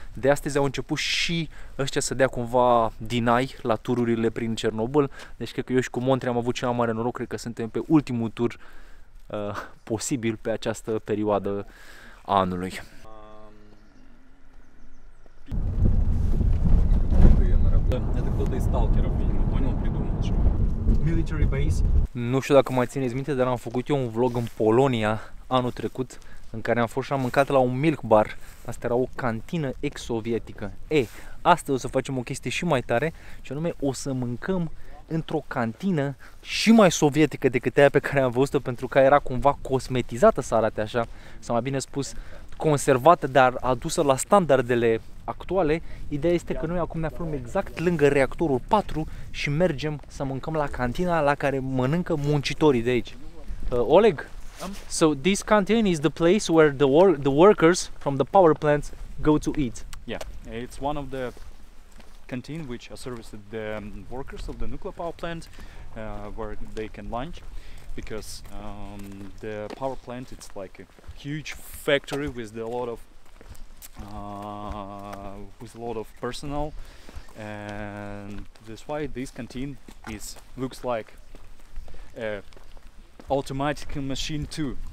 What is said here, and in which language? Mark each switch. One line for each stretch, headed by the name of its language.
Romanian: De astăzi au început și ăștia să dea cumva deny la tururile prin Cernobâl. Deci cred că eu și cu Montre am avut cea mai mare noroc, cred că suntem pe ultimul tur posibil pe această perioadă a anului.
Russian: Это кто-то из сталкеров, видимо, понял, придумал что.
English: Military base.
Romanian: Nu știu dacă mai țineți minte, dar am făcut eu un vlog în Polonia anul trecut, în care am fost și am mâncat la un milk bar. Asta era o cantină ex-sovietică. E, astăzi o să facem o chestie și mai tare, și anume o să mâncăm într-o cantină și mai sovietică decât aia pe care am văzut-o, pentru că era cumva cosmetizată să arate așa, sau mai bine spus, conservată, dar adusă la standardele actuale. Ideea este că noi acum ne aflăm exact lângă reactorul 4 și mergem să mâncăm la cantina la care mănâncă muncitorii de aici.
English: Oleg, so this canteen is the place where the workers from the power plants go to eat. Yeah, it's one of the canteen which services the workers of the nuclear power plant where they can lunch, because the power plant, it's like a huge factory with a lot of personnel, and that's why this canteen is looks like a automatic machine too.